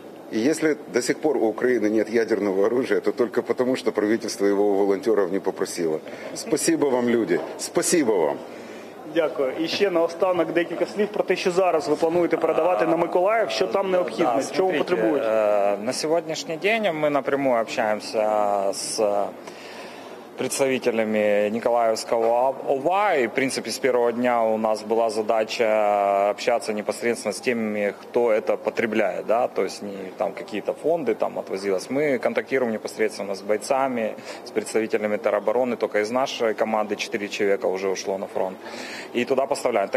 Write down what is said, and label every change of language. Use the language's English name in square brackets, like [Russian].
[Russian] И если до сих пор у Украины нет ядерного оружия, то только потому, что правительство его у волонтеров не попросило. Спасибо вам, люди. Спасибо вам. [Ukrainian] Дякую. І ще наостанок декілька слів про те, що зараз ви плануєте передавати на Миколаїв, що там необхідно, чого потребують. На сьогоднішній день ми напряму общаємося [Russian] з представителями Николаевского ОВА, и в принципе с первого дня у нас была задача общаться непосредственно с теми, кто это потребляет, да, то есть не там какие-то фонды там отвозилось, мы контактируем непосредственно с бойцами, с представителями теробороны, только из нашей команды 4 человека уже ушло на фронт и туда поставляем.